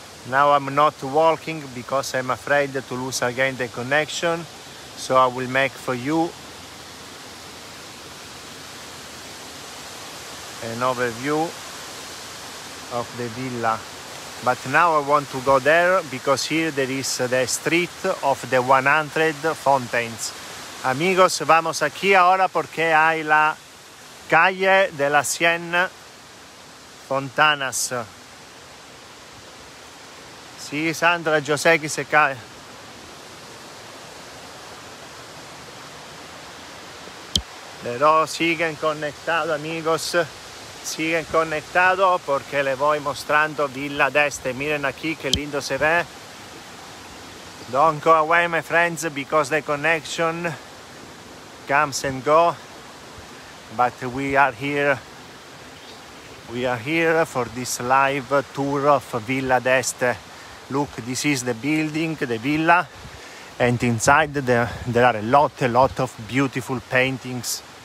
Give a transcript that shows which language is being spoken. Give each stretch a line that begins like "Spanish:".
English: Now I'm not walking because I'm afraid to lose again the connection, so I will make for you an overview of the villa. But now I want to go there because here there is the street of the 100 fountains.
Spanish: Amigos, vamos aquí ahora porque hay la calle de las 100 fontanas. Sí, Sandra, yo sé que se cae. Pero siguen conectados, amigos. Siguen conectado porque le voy mostrando Villa d'Este. Miren aquí que lindo se ve.
English: Don't go away, my friends, because the connection comes and go. But we are here. We are here for this live tour of Villa d'Este. Look, this is the building, the villa. And inside there are a lot of beautiful paintings.